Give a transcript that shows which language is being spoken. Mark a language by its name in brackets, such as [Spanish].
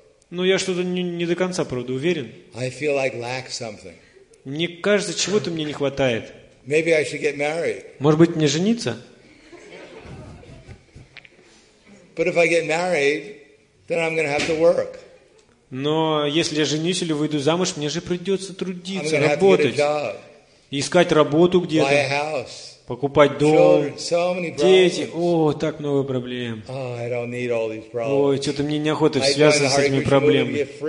[Russian] Но я что-то не до конца, правда, уверен. [English] I feel like lack something. [Russian] Мне кажется, чего-то мне не хватает. [English] Maybe I should get married. [Russian] Может быть, мне жениться? [English] But if I get married, then I'm going to have to work. [Russian] Но если я женюсь или выйду замуж, мне же придется трудиться, [English] I'm [Russian] работать. [English] Have to get a job. [Russian] искать работу где-то, покупать дом, дети. О, так много проблем. Ой, что-то мне неохота связываться с этими проблемами.